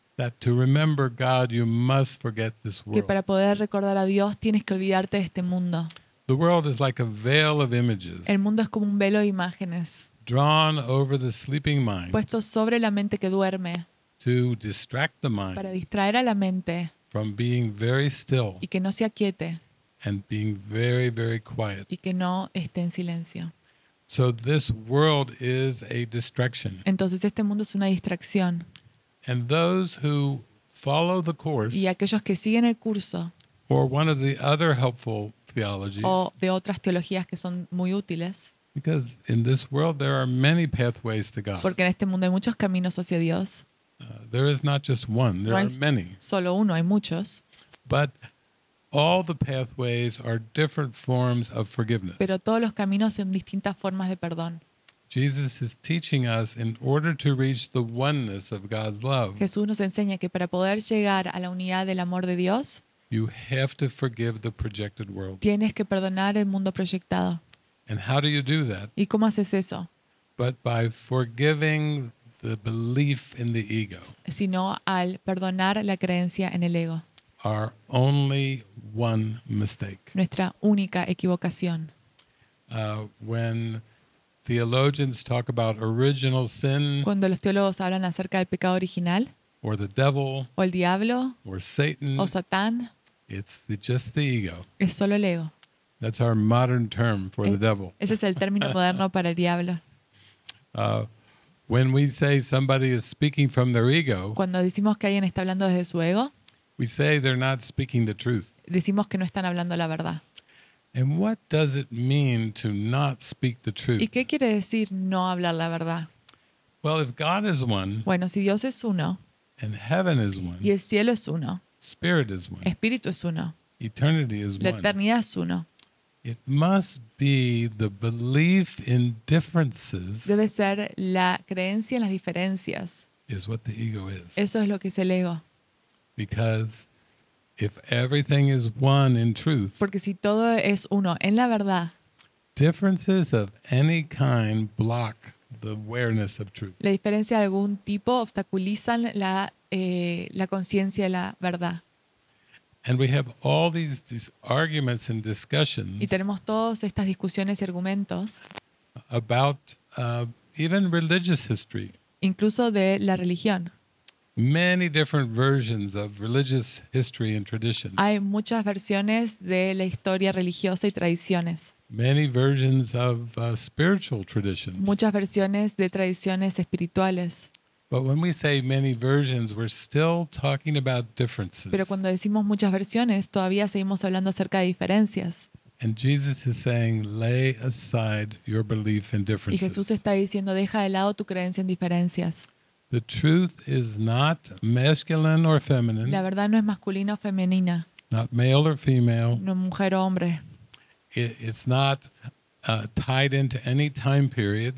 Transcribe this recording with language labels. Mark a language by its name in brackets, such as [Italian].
[English] That to remember God you must forget this world. [Spanish] Que para poder recordar a Dios tienes que olvidarte de este mundo. [English] The world is like a veil of images. [Spanish] El mundo es como un velo de imágenes. [English] Drawn over the sleeping mind. [Spanish] Puesto sobre la mente que duerme. [English] To distract the mind. [Spanish] Para distraer a la mente. [English] From being very still. [Spanish] Y que no se aquiete. [English] And being very, very quiet. [Spanish] Y que no esté en silencio. [English] So this world is a distraction. [Spanish] Entonces este mundo es una distracción. [English] And those who follow the course. [Spanish] Y aquellos que siguen el curso. [English] Or one of the other helpful theologies. [Spanish] O de otras teologías que son muy útiles. [English] Because in this world there are many pathways to God. [Spanish] Porque en este mundo hay muchos caminos hacia Dios. [English] There is not just one, there are many. [Spanish] Solo uno, hay muchos. [English] But all the pathways are different forms of forgiveness. [Spanish] Pero todos los caminos son distintas formas de perdón. [English] Jesus is teaching us in order to reach the oneness of God's love. [Spanish] Jesús nos enseña que para poder llegar a la unidad del amor de Dios, [English] you have to forgive the projected world. [Spanish] Tienes que perdonar el mundo proyectado. [English] And how do you do that? [Spanish] ¿Y cómo haces eso? [English] But by forgiving the belief in the ego. [Spanish] Sino al perdonar la creencia en el ego. [English] Our only one mistake. [Spanish] Nuestra única equivocación. [English] When theologians talk about original sin. [Spanish] Cuando los teólogos hablan acerca del pecado original. [English] Or the devil. [Spanish] O el diablo. [English] Or Satan. [Spanish] O Satán. [English] It's just the ego. [Spanish] Es solo el ego. [English] That's our modern term for the devil. [Spanish] Ese es el término moderno para el diablo. [English] When we say somebody is speaking from their ego, [Spanish] cuando decimos que alguien está hablando desde su ego, [English] we say they're not speaking the truth. [Spanish] Decimos que no están hablando la verdad. [English] And what does it mean to not speak the truth? [Spanish] ¿Y qué quiere decir no hablar la verdad? [English] Well, if God is one, [Spanish] bueno, si Dios es uno, [English] and heaven is one, [Spanish] y el cielo es uno, [English] spirit is one, [Spanish] espíritu es uno, [English] eternity is one, [Spanish] la eternidad es uno, [English] it must be the belief in differences. [Spanish] Debe ser la creencia en las diferencias. [English] Is what the ego is. [Spanish] Eso es lo que es el ego. [English] Because if everything is one in truth, [Spanish] porque si todo es uno en la verdad, [English] differences of any kind block the awareness of truth. [Spanish] La diferencia de algún tipo obstaculizan la conciencia de la verdad. [English] And we have all these arguments and discussions. [Spanish] Y tenemos todas estas discusiones y argumentos [English] about even religious history. [Spanish] Incluso de la religión. [English] Many different versions of religious history and traditions. [Spanish] Hay muchas versiones de la historia religiosa y tradiciones. [English] Many versions of spiritual traditions. [Spanish] Muchas versiones de tradiciones espirituales. [English] But when we say many versions, we're still talking about differences. [Spanish] Pero cuando decimos muchas versiones, todavía seguimos hablando acerca de diferencias. [English] And Jesus is saying, lay aside your belief in differences. [Spanish] Y Jesús está diciendo, deja de lado tu creencia en diferencias. [English] The truth is not masculine or feminine. [Spanish] La verdad no es masculina o femenina. [English] Not male or female. [Spanish] No mujer o hombre. [English] It's not tied into any time period.